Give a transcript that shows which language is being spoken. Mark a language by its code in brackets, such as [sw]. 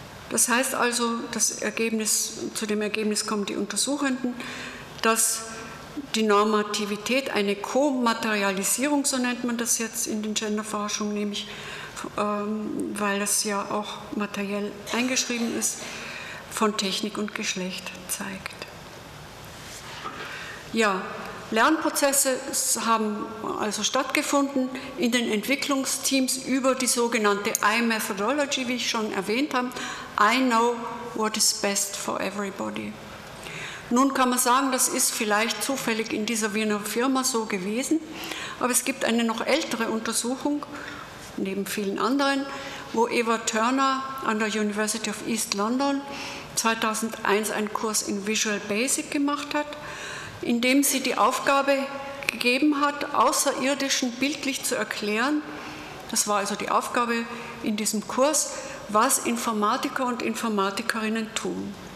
[de] Das heißt also, zu dem Ergebnis kommen die Untersuchenden, dass die Normativität eine Komaterialisierung, so nennt man das jetzt in den Genderforschungen, nämlich weil das ja auch materiell eingeschrieben ist, von Technik und Geschlecht zeigt. Ja, Lernprozesse haben also stattgefunden in den Entwicklungsteams über die sogenannte I-Methodology, wie ich schon erwähnt habe. [en] I know what is best for everybody. [de] Nun kann man sagen, das ist vielleicht zufällig in dieser Wiener Firma so gewesen, aber es gibt eine noch ältere Untersuchung, neben vielen anderen, wo Eva Turner an der University of East London 2001 einen Kurs in Visual Basic gemacht hat, in dem sie die Aufgabe gegeben hat, Außerirdischen bildlich zu erklären, das war also die Aufgabe in diesem Kurs, was Informatiker und Informatikerinnen tun.